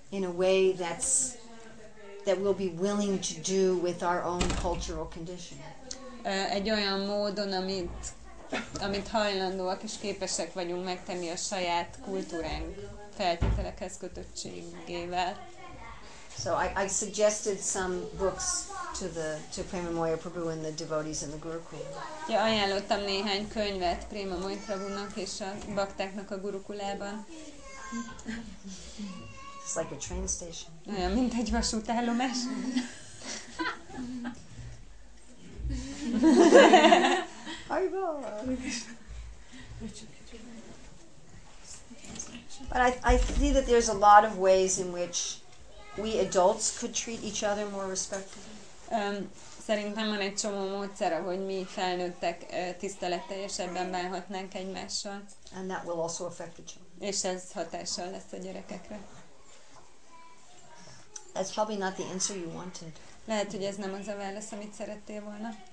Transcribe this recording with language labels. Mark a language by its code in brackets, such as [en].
[en] In a way that's that we'll be willing to do with our own cultural condition. [hu] Egy olyan módon, amit amit hajlandóak és képesek vagyunk megtenni a saját kultúránk feltételekhez kötöttségével. [en] So I suggested some books to the to Prema Moyer Prabhu and the devotees in the Gurukul. [hu] Ja, ajánlottam néhány könyvet Prema Moyer Prabhunak és a baktáknak a Gurukulában. [en] It's like a train station. [hu] Olyan, mint egy vasútállomás. [en] But I see that there's a lot of ways in which we adults could treat each other more respectfully. [hu] Szerintem van egy csomó módszer, hogy mi felnőttek tiszteletteljesebben bánhatnánk egymással. [en] And that will also affect the children. [hu] És ez hatással lesz a gyerekekre. [en] That's probably not the answer you wanted. [hu] Lehet, hogy ez nem az a válasz, amit szerettél volna.